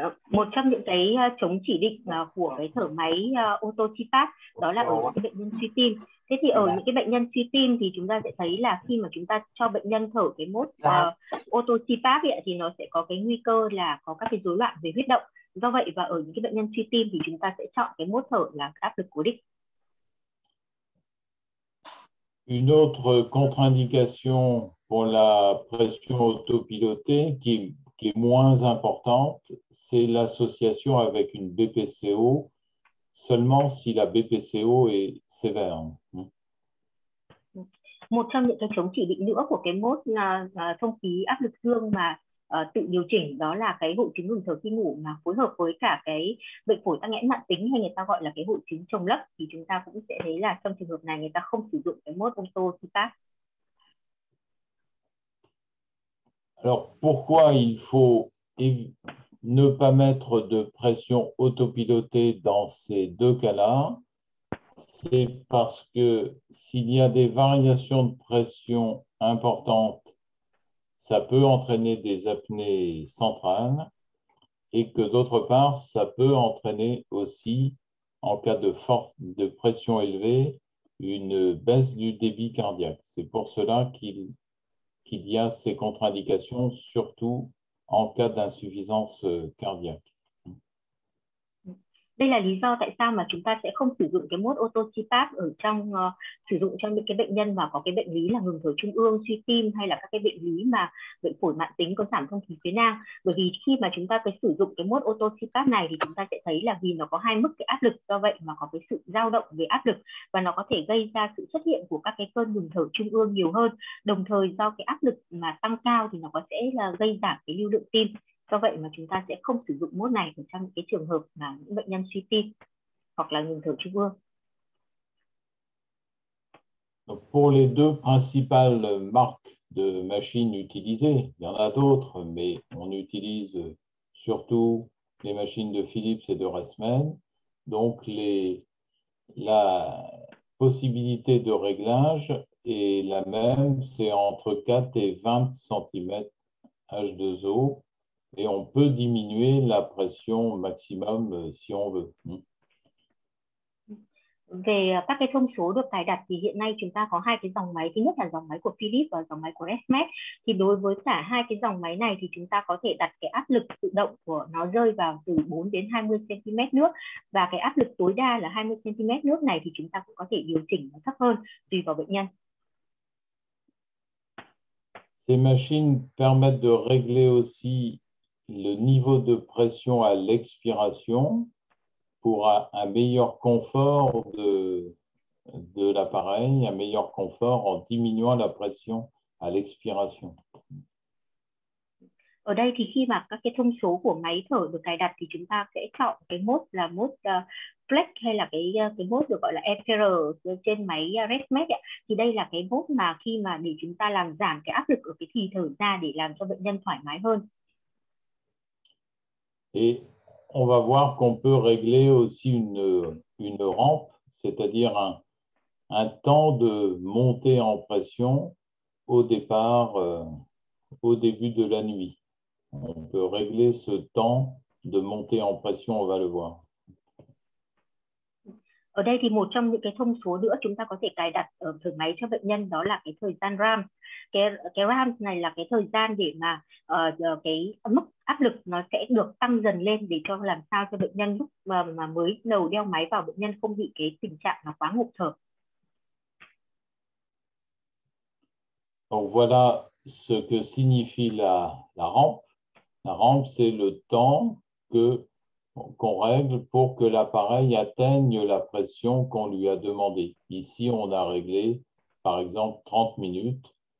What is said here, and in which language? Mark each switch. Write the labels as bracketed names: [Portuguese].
[Vietnamese] Một trong những cái chống chỉ định của cái thở máy auto CPAP đó là ở những cái bệnh nhân suy tim. Thế thì ở những cái bệnh nhân suy tim thì chúng ta sẽ thấy là khi mà chúng ta cho bệnh nhân thở cái mốt auto CPAP thì nó sẽ có cái nguy cơ là có các cái rối loạn về huyết động. Do vậy và ở những cái bệnh nhân suy tim thì chúng ta sẽ chọn cái mốt thở là áp lực cố định. [French] Une autre contre-indication pour la pression autopilotée qui est moins importante, c'est l'association avec une BPCO, seulement si la BPCO est sévère. [Vietnamese] Một trong những cái chống chỉ định nữa của cái mốt thông khí áp lực dương mà tự điều chỉnh đó là cái hội chứng ngừng thở khi ngủ mà phối hợp với cả cái bệnh phổi tắc nghẽn mãn tính hay người ta gọi là cái hội chứng trồng lấp thì chúng ta cũng sẽ thấy là trong trường hợp này người ta không sử dụng cái mốt auto CPAP. [French] Alors, pourquoi il faut ne pas mettre de pression autopilotée dans ces deux cas-là? C'est parce que s'il y a des variations de pression importantes, ça peut entraîner des apnées centrales et que d'autre part, ça peut entraîner aussi, en cas de forte de pression élevée, une baisse du débit cardiaque. C'est pour cela qu'il y a ces contre-indications, surtout en cas d'insuffisance cardiaque. [Vietnamese] Đây là lý do tại sao mà chúng ta sẽ không sử dụng cái mốt auto CPAP ở trong sử dụng cho những cái bệnh nhân mà có cái bệnh lý là ngừng thở trung ương, suy tim hay là các cái bệnh lý mà bệnh phổi mãn tính có giảm thông khí phía nang. Bởi vì khi mà chúng ta có sử dụng cái mốt auto CPAP này thì chúng ta sẽ thấy là vì nó có hai mức cái áp lực, do vậy mà có cái sự dao động về áp lực và nó có thể gây ra sự xuất hiện của các cái cơn ngừng thở trung ương nhiều hơn. Đồng thời do cái áp lực mà tăng cao thì nó có sẽ là gây giảm cái lưu lượng tim. Do vậy mà chúng ta sẽ không sử dụng mốt này trong những cái trường hợp mà những bệnh nhân suy tim hoặc là ngừng thở trung ương. [French] Pour les deux principales marques de machines utilisées, il y en a d'autres, mais on utilise surtout les machines de Philips et de Resmen. Donc la possibilité de réglage est la même, c'est entre 4 et 20 cm H2O. Et on peut diminuer la pression maximum si on veut. [Vietnamese] Về các cái thông số được cài đặt thì hiện nay chúng ta có hai cái dòng máy, thứ nhất là dòng máy của Philips và dòng máy của Resmed. Thì đối với cả hai cái dòng máy này thì chúng ta có thể đặt cái áp lực tự động của nó rơi vào từ 4 đến 20 cm nước, và cái áp lực tối đa là 20 cm nước này thì chúng ta cũng có thể điều chỉnh nó thấp hơn tùy vào bệnh nhân. [French] Ces machines permettent de régler aussi le niveau de pression à l'expiration pour un meilleur confort de l'appareil, un meilleur confort en diminuant la pression à l'expiration. [Vietnamese] Ở đây thì khi mà các cái thông số của máy thở được cài đặt thì chúng ta sẽ chọn cái mode là mode flex hay là cái mode được gọi là EPR trên máy ResMed ạ. Thì đây là cái mode mà khi mà để chúng ta làm giảm cái áp lực ở cái thì thở ra để làm cho bệnh nhân thoải mái hơn. [French] Et on va voir qu'on peut régler aussi une rampe, c'est-à-dire un temps de montée en pression au départ, au début de la nuit. On peut régler ce temps de montée en pression, on va le voir. [Vietnamese] Ở đây thì một trong những cái thông số nữa chúng ta có thể cài đặt ở thử máy cho bệnh nhân đó là cái thời gian RAM. Cái RAM này là cái thời gian để mà cái mức áp lực nó sẽ được tăng dần lên để cho làm sao cho bệnh nhân lúc mà mới đầu đeo máy vào bệnh nhân không bị cái tình trạng nó quá ngộp thở. [French] Donc voilà ce que signifie la rampe. La rampe, c'est le temps qu'on règle pour que l'appareil atteigne la pression qu'on lui a demandée. Ici, on a réglé, par exemple, 30 minutes.